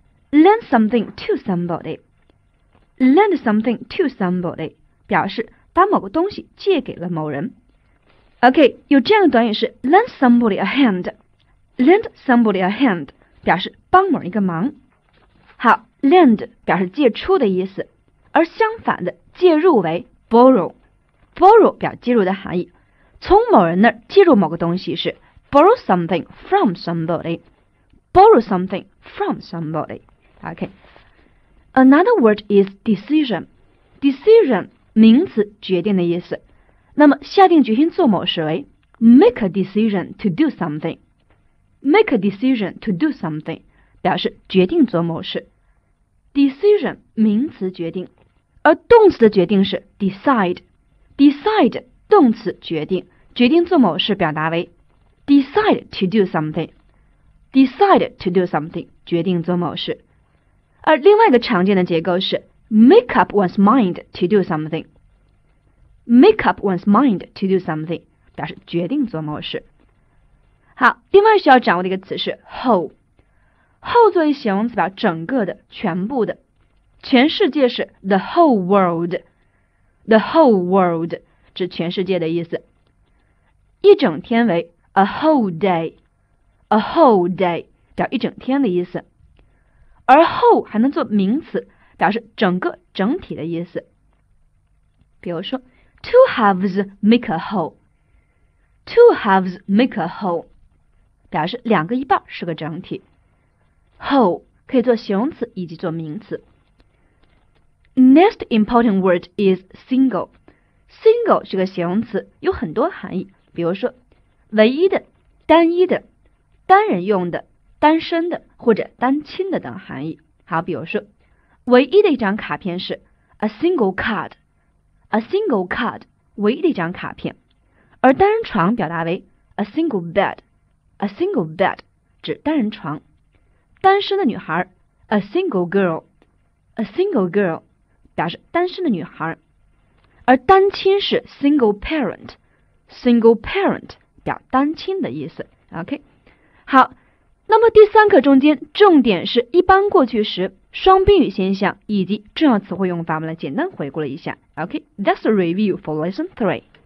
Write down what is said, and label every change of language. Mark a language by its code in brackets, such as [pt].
[en] Lend something to somebody. [zh] Lend something to somebody 表示把某个东西借给了某人。 OK, 有这样的短语是 lend somebody a hand. Lend somebody a hand 表示帮某一个忙。好 ,lend 表示借出的意思。而相反的借入为 borrow。 Borrow 表借入的含义。从某人那儿借入某个东西是 borrow something from somebody。 [en] Borrow something from somebody. OK. Another word is decision. [zh] Decision, 名词决定的意思。那么下定决心做某事为 make a decision to do something. [en] Make a decision to do something, 表示决定做某事。 [zh] Decision, 名词决定。而动词的决定是 decide. Decide, 动词决定。决定做某事表达为 decide to do something. [en] Decide to do something, 决定做某事。 而另外一个常见的结构是 make up one's mind to do something. Make up one's mind to do something, 表示决定做某事。 [zh] 好，另外需要掌握的一个词是 whole. Whole 作为形容词表整个的、全部的。全世界是 the whole world. The whole world, 指全世界的意思。一整天为 a whole day. A whole day, 表一整天的意思。而 whole 还能做名词，表示整个整体的意思。比如说 two halves make a whole. Two halves make a whole, 表示两个一半是个整体。 Whole 可以做形容词以及做名词。 [en] Next important word is single. [zh] Single 是个形容词，有很多含义。比如说唯一的、单一的、单人用的、单身的或者单亲的等含义。好，比如说唯一的一张卡片是 a single card, a single card, 唯一的一张卡片。而单人床表达为 a single bed, a single bed, 指单人床。单身的女孩 a single girl, a single girl, 表示单身的女孩。而单亲是 single parent, single parent, 表单亲的意思。 OK,好，那么第三课中间重点是一般过去时双宾语现象以及重要词汇用法，我们来简单回顾了一下。 OK, that's a review for lesson 3.